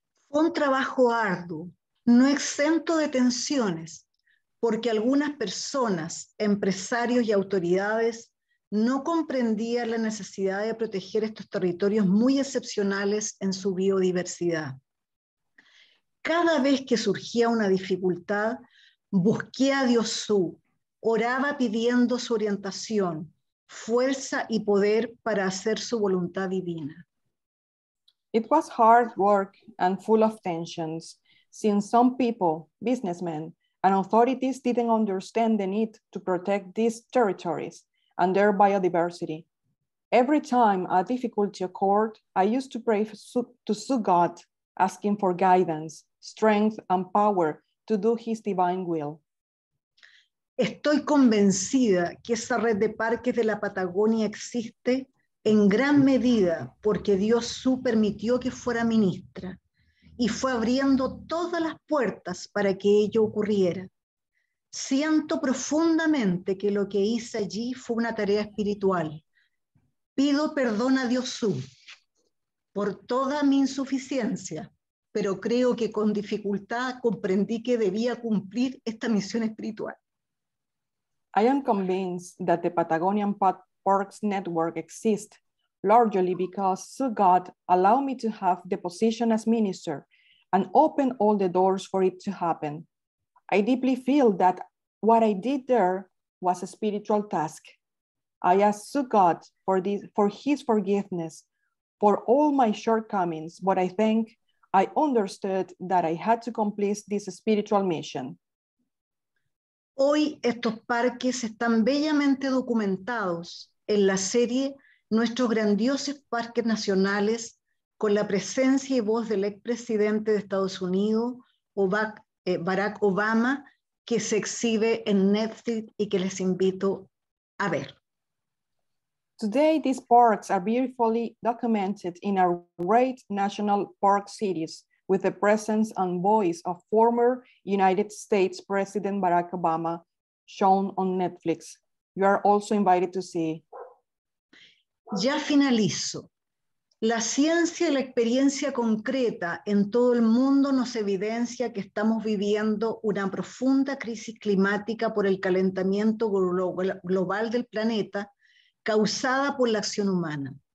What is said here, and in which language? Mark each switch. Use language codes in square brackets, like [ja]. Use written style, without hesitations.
[es] Fue un trabajo arduo, no exento de tensiones, porque algunas personas, empresarios y autoridades, no comprendían la necesidad de proteger estos territorios muy excepcionales en su biodiversidad. Cada vez que surgía una dificultad, busqué a Diosú, oraba pidiendo su orientación, fuerza y poder para hacer su voluntad divina. [en] It was hard work and full of tensions, since some people, businessmen, and authorities didn't understand the need to protect these territories and their biodiversity. Every time a difficulty occurred, I used to pray to Su God, asking for guidance, strength, and power to do his divine will. [es] Estoy convencida que esa red de parques de la Patagonia existe en gran medida porque Dios su permitió que fuera ministra y fue abriendo todas las puertas para que ello ocurriera. Siento profundamente que lo que hice allí fue una tarea espiritual. Pido perdón a Dios su por toda mi insuficiencia, pero creo que con dificultad comprendí que debía cumplir esta misión espiritual. [en] I am convinced that the Patagonian Parks Network exists largely because Su God allowed me to have the position as minister and open all the doors for it to happen. I deeply feel that what I did there was a spiritual task. I ask Su God for his forgiveness for all my shortcomings, but I think I understood that I had to complete this spiritual mission. [es] Hoy estos parques están bellamente documentados en la serie Nuestros Grandiosos Parques Nacionales con la presencia y voz del expresidente de Estados Unidos, Barack Obama, que se exhibe en Netflix y que les invito a ver. [en] Today, these parks are beautifully documented in our great national park series, with the presence and voice of former United States President Barack Obama, shown on Netflix. You are also invited to see. [es] Ya finalizo. La ciencia y la experiencia concreta en todo el mundo nos evidencia que estamos viviendo una profunda crisis climática por el calentamiento global del planeta causada por la acción humana.